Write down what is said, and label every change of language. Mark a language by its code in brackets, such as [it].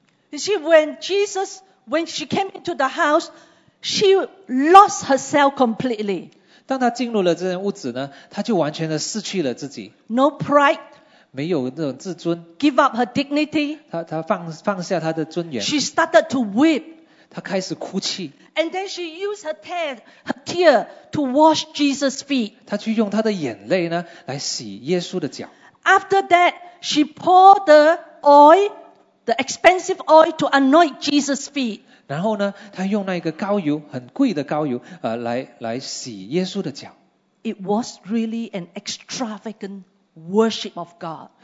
[en] You see, when she came into the house,She lost herself completely. [zh] 当她进入了这间屋子呢，她就完全的失去了自己。 [en] No pride. [zh] 没有那种自尊。 [en] Give up her dignity. [zh] 她放下她的尊严。 [en] She started to weep. [zh] 她开始哭泣。 [en] And then she used her tear to wash Jesus' feet. [zh] 她去用她的眼泪呢，来洗耶稣的脚。 [en] After that, she poured the oil, the expensive oil, to anoint Jesus' feet. [zh] 然后呢，他用那个膏油，很贵的膏油，来洗耶稣的脚。 [en] It was really an extravagant worship of God.